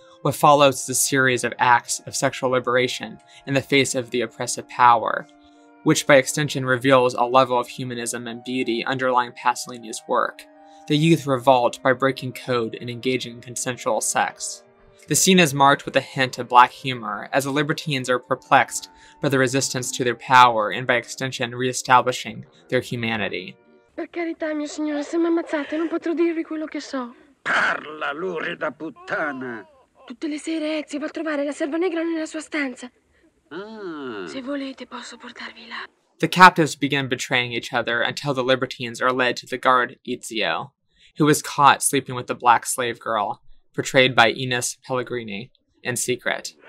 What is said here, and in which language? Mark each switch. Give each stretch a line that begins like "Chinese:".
English: What follows is a series of acts of sexual liberation in the face of the oppressive power, which by extension reveals a level of humanism and beauty underlying Pasolini's work. The youth revolt by breaking code and engaging in consensual sex. The scene is marked with a hint of black humor, as the libertines are perplexed by the resistance to their power and by extension reestablishing their humanity.
Italian: Per carità, mio signore, se mi ammazzate, non potrò dirvi quello che so. Parla, lurida puttana! Tutte le sere Ezio va a trovare la serva negra nella sua stanza. Se volete posso portarvi là.
English: The captives begin betraying each other until the libertines are led to the guard Ezio, who was caught sleeping with the black slave girl, portrayed by Ines Pellegrini, in secret.